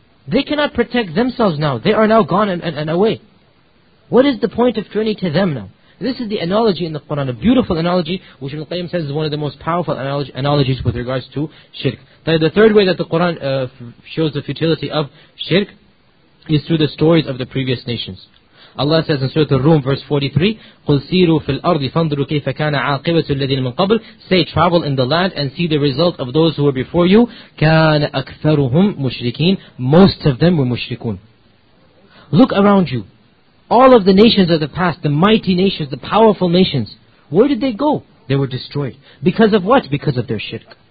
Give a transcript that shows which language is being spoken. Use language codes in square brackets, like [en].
[en] They cannot protect themselves now. They are now gone and away. What is the point of turning to them now? This is the analogy in the Qur'an, a beautiful analogy, which Ibn Qayyim says is one of the most powerful analogies with regards to shirk. The third way that the Qur'an shows the futility of shirk is through the stories of the previous nations. Allah says in Surah Al-Rum, verse 43, [ar] قُلْ سِيرُوا فِي الْأَرْضِ فَانْدُرُوا كَيْفَ كَانَ عَاقِبَةُ الَّذِينَ مِنْ قَبْلِ. [en] Say, travel in the land and see the result of those who were before you. [ar] كَانَ أَكْثَرُهُمْ مُشْرِكِينَ. [en] Most of them were mushrikuna. Look around you. All of the nations of the past, the mighty nations, the powerful nations, where did they go? They were destroyed. Because of what? Because of their shirk.